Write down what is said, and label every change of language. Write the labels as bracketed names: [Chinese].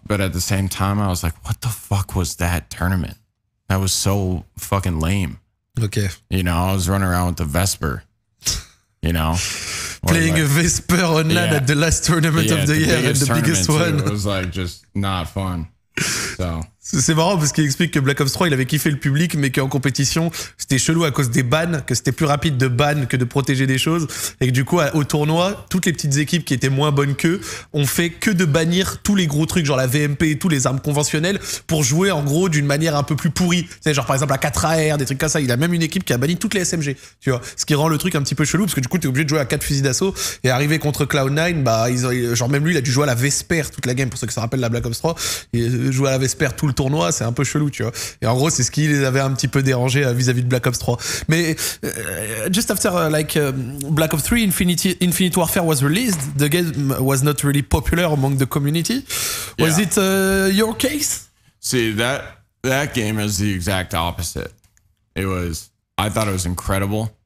[English] But at the same time, I was like, what the fuck was that tournament? That was so fucking lame. Okay. You know, I was running around with the Vesper, you know. Playing like, a Vesper online at the last tournament of the year, and the biggest one. It was like just not fun. So. [French] C'est marrant parce qu'il explique que Black Ops 3, il avait kiffé le public, mais qu'en compétition, c'était chelou à cause des bans, que c'était plus rapide de ban que de protéger des choses. Et que du coup, au tournoi, toutes les petites équipes qui étaient moins bonnes qu'eux ont fait que de bannir tous les gros trucs, genre la VMP et tous les armes conventionnelles, pour jouer en gros d'une manière un peu plus pourrie. Tu sais, genre par exemple la 4AR, des trucs comme ça. Il a même une équipe qui a banni toutes les SMG, tu vois. Ce qui rend le truc un petit peu chelou, parce que du coup, t'es obligé de jouer à 4 fusils d'assaut. Et arrivé contre Cloud9, bah, genre même lui, il a dû jouer à la Vesper toute la game, pour ceux qui se rappellent la Black Ops 3. Il a joué à la Vesper tout le le tournoi, c'est un peu chelou, tu vois. Et en gros, c'est ce qui les avait un petit peu dérangé vis-à-vis de Black Ops 3. [English] Mais just after like Black Ops 3 Infinite Warfare was released, the game was not really popular among the community. Was yeah. it your case? See, that game is the exact opposite. It was, I thought it was incredible.